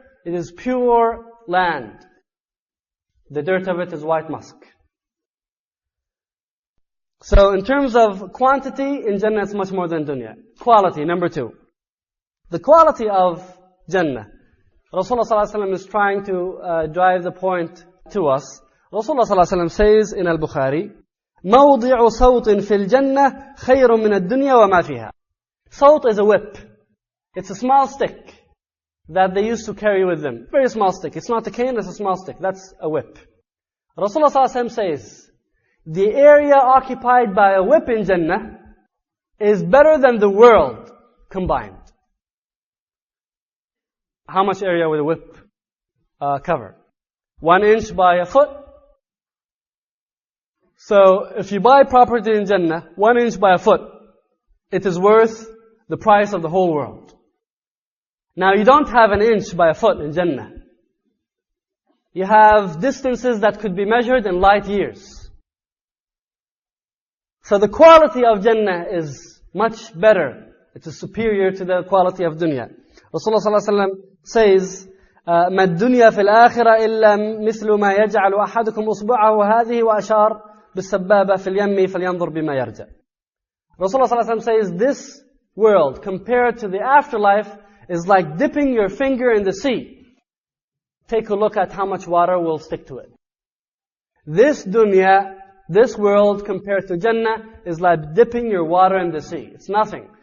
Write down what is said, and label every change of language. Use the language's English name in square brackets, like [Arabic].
[English] It is pure land. The dirt of it is white musk. So in terms of quantity, in Jannah it's much more than dunya. Quality, number two. The quality of Jannah. Rasulullah ﷺ is trying to drive the point to us. Rasulullah ﷺ says in Al-Bukhari, [Arabic] مَوْضِعُ صَوْطٍ فِي الْجَنَّةِ خَيْرٌ مِنَ الدُّنْيَا وَمَا فِيهَا. [English] Sawt is a whip. It's a small stick that they used to carry with them. Very small stick. It's not a cane, it's a small stick. That's a whip. Rasulullah ﷺ says, the area occupied by a whip in Jannah is better than the world combined. How much area would a whip cover? 1 inch by a foot. So if you buy property in Jannah, 1 inch by a foot, it is worth the price of the whole world. Now you don't have an inch by a foot in Jannah. You have distances that could be measured in light years. So the quality of Jannah is much better. It is superior to the quality of dunya. Rasulullah ﷺ says, [Arabic] مَا الدُّنْيَا فِي الْآخِرَةِ إِلَّا مِثْلُ مَا يَجْعَلُ أَحَدُكُمْ أُصْبُعَهُ هَذِهِ وَأَشَارَ بِالسَّبَّابَةِ فِي الْيَمِّ فَلْيَنْظُرْ بِمَا يَرْجَى. [English] Rasulullah ﷺ says, this world compared to the afterlife is like dipping your finger in the sea. Take a look at how much water will stick to it. This dunya, this world compared to Jannah is like dipping your water in the sea. It's nothing.